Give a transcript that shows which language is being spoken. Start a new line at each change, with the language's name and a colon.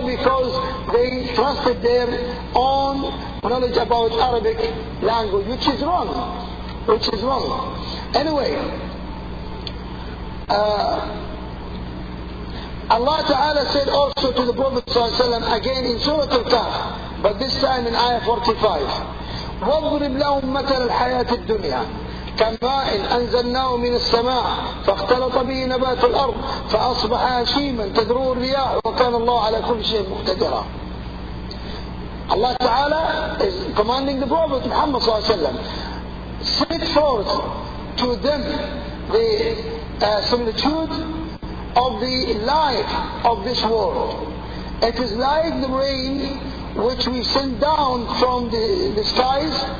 English: Because they trusted their own knowledge about Arabic language, which is wrong. Which is wrong. Anyway, Allah Ta'ala said also to the Prophet Sallallahu Alaihi Wasallam again in Surah Al-Kahf, but this time in Ayah 45,
Arabic: وَاضْرِبْ لَهُمْ مَثَلَ الْحَيَاةِ الدُّنْيَا كماء أنزلناه من السماء فاختلط به نبات الأرض فأصبح هشيما تذروه الرياح وكان الله على كل شيء مقتدرا.
English: الله تعالى is commanding the Prophet Muhammad صلى الله عليه وسلم, set forth to them the similitude of the life of this world. It is like the rain which we send down from the skies.